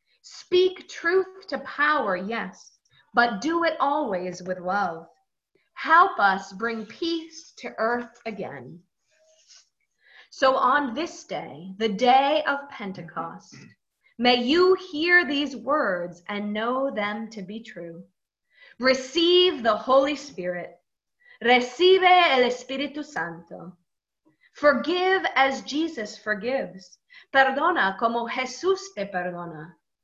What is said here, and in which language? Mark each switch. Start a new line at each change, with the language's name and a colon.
English: Speak truth to power, yes, but do it always with love. Help us bring peace to earth again. So on this day, the day of Pentecost, may you hear these words and know them to be true. Receive the Holy Spirit.
Spanish: Recibe el Espíritu Santo.
English: Forgive as Jesus forgives.
Spanish: Perdona como Jesús te perdona.